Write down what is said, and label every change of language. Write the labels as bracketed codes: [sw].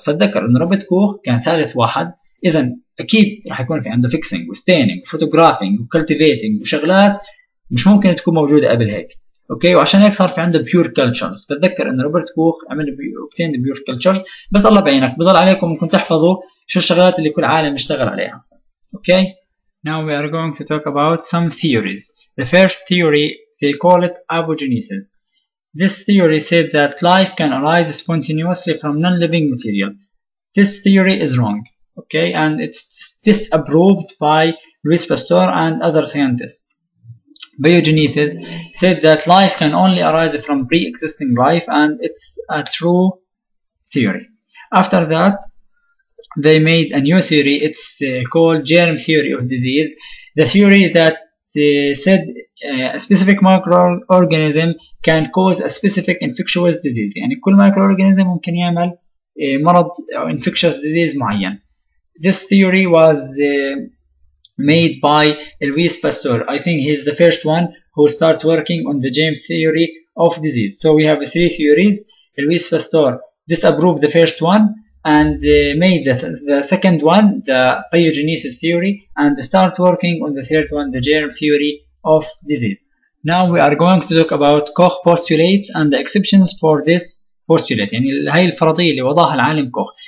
[ar] فتذكر إنه روبرت كوخ كان ثالث واحد، إذا اكيد راح يكون في عنده فيكسينج وستيننج وفوتوغرافينج وكلتيفيتنج وشغلات مش ممكن تكون موجوده قبل هيك. اوكي، وعشان هيك صار في عنده بيور كلتشرز. فتذكر ان روبرت كوخ عمل [en] obtain pure cultures, [ar] بس الله بعينك بضل عليكم انكم تحفظوا شو الشغلات اللي كل عالم اشتغل عليها. [en] Okay, now we are going to talk about some theories. The first theory they call it abiogenesis. This theory said that life can arise spontaneously from non-living material. This theory is wrong. Okay, and it's disapproved by Louis Pasteur and other scientists. Biogenesis said that life can only arise from pre-existing life, and it's a true theory. After that, they made a new theory. It's called germ theory of disease. The theory that said a specific microorganism can cause a specific infectious disease. [ar] يعني كل microorganism ممكن يعمل مرض أو infectious disease معين. [en] This theory was made by Louis Pasteur. I think he is the first one who start working on the germ theory of disease. So we have three theories. Louis Pasteur disapproved the first one. and made the second one, the pathogenesis theory, and start working on the third one, the germ theory of disease. Now we are going to talk about Koch postulates and the exceptions for this postulate. [ar] يعني هاي الفرضية اللي وضعها العالم كوخ.